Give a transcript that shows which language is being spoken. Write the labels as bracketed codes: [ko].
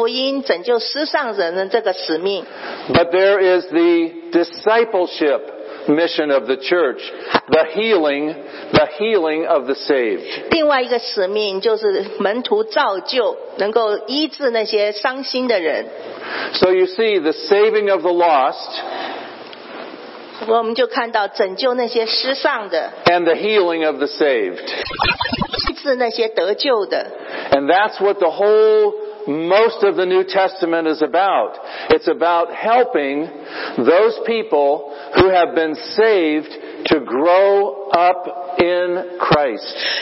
[zh] 这个传福音拯救失丧人的这个使命。 [en] But there is the discipleship mission of the church, the healing of the saved. [zh] 另外一个使命就是门徒造就，能够医治那些伤心的人。 [en] So you see, the saving of the lost, [zh] 我们就看到拯救那些失丧的, [en] and the healing of the saved. [zh] 医治那些得救的。 [en] And that's what the whole most of the New Testament is about. It's about helping those people who have been saved to grow up in Christ.